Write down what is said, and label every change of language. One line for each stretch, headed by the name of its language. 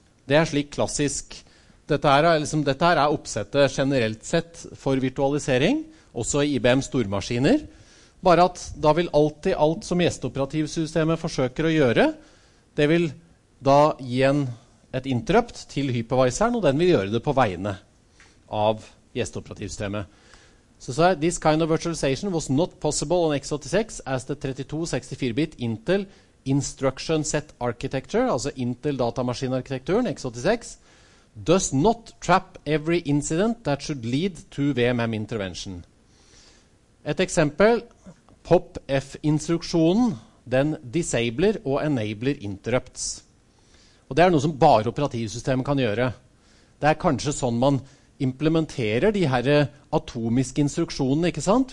Norwegian: Det slik klassisk. Dette her er oppsettet generelt sett for virtualisering, også i IBM stormaskiner. Bare at da vil alltid alt som gjesteoperativsystemet forsøker å gjøre, det vil da gi et interrupt til hypervisoren, og den vil gjøre det på vegne av gjesteoperativsystemet. Så jeg,
English: this kind of virtualization was not possible on x86 as the 32-64-bit Intel Instruction Set Architecture,
Norwegian: altså Intel datamaskinarkitekturen x86,
English: does not trap every incident that should lead to VMM intervention.
Norwegian: Et eksempel, POPF-instruksjonen, den disabler og enabler interrupts. Og det noe som bare operativsystemet kan gjøre. Det kanskje sånn man implementerer de her atomiske instruksjonene, ikke sant?